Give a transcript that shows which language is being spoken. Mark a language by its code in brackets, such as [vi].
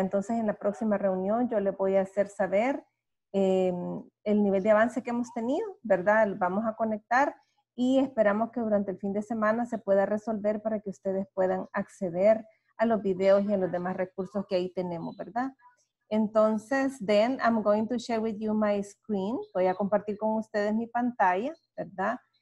[es] Entonces en la próxima reunión yo le voy a hacer saber el nivel de avance que hemos tenido, ¿verdad? Vamos a conectar y esperamos que durante el fin de semana se pueda resolver para que ustedes puedan acceder a los videos y a los demás recursos que ahí tenemos, ¿verdad? [en] Entonces, then I'm going to share with you my screen. [es] Voy a compartir con ustedes mi pantalla, ¿verdad?